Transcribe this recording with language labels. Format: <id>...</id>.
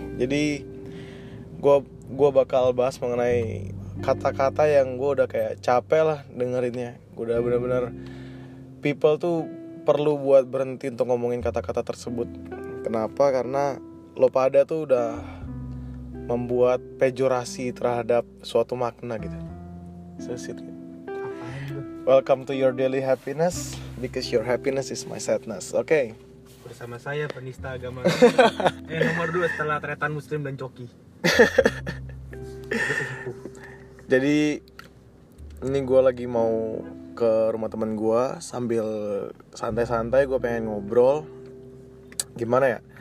<id>Jadi gue bakal bahas mengenai kata-kata yang gue udah kayak capek lah dengerinnya. Gue udah benar-benar people tuh perlu buat berhenti untuk ngomongin kata-kata tersebut. Kenapa? Karena lo pada tuh udah membuat pejorasi terhadap suatu makna gitu. Sesitu.</id> <en>Welcome to your daily happiness because your happiness is my sadness. Okay.</en> <id>Bersama saya penista agama nomor 2 setelah Tretan Muslim dan Coki. Jadi ini gue lagi mau ke rumah teman gue sambil santai-santai gue pengen ngobrol. Gimana ya?</id>